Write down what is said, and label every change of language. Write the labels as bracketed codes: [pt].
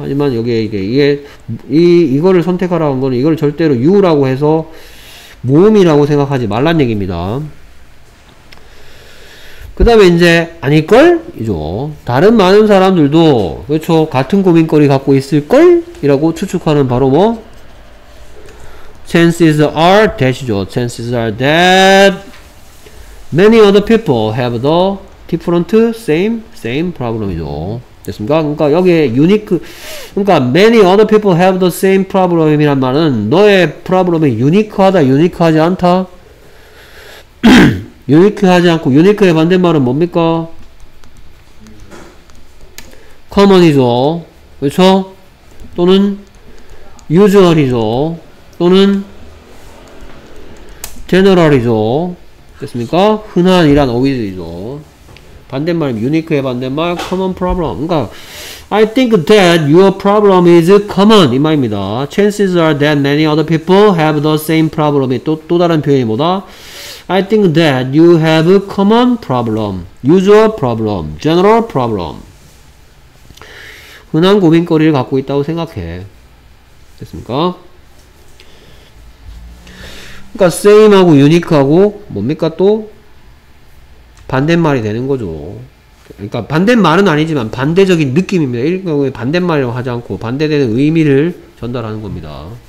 [ko] 하지만 여기에 이거를 선택하라는 건 이걸 절대로 you라고 해서 모음이라고 생각하지 말란 얘기입니다. 그 다음에 이제 아닐걸? 이죠. 다른 많은 사람들도 그렇죠. 같은 고민거리 갖고 있을걸? 이라고 추측하는 바로 뭐? [en] Chances are that이죠. Chances are that many other people have the different same problem이죠. [ko] 됐습니까? 그러니까 여기에 unique 그러니까 [en] many other people have the same problem [ko] 이란 말은 너의 problem이 유니크하다, 유니크하지 않다? 유니크하지 않고 유니크의 반대말은 뭡니까? 커먼이죠. 그렇죠? 또는 유주얼이죠. 또는 제너럴이죠. 됐습니까? 흔한이란 어휘죠. 반대말은 유니크의 반대말 커먼 프로블럼. 그러니까 [en] I think that your problem is common [ko] 이 말입니다. [en] Chances are that many other people have the same problem이 [ko] 또 다른 표현이 뭐다? [en] I think that you have a common problem, usual problem, general problem. [ko] 흔한 고민거리를 갖고 있다고 생각해. 됐습니까? 그러니까 same하고 unique하고 뭡니까 또? 반대말이 되는 거죠. 그러니까 반대말은 아니지만 반대적인 느낌입니다. 이런 경우에 반대말이라고 하지 않고 반대되는 의미를 전달하는 겁니다.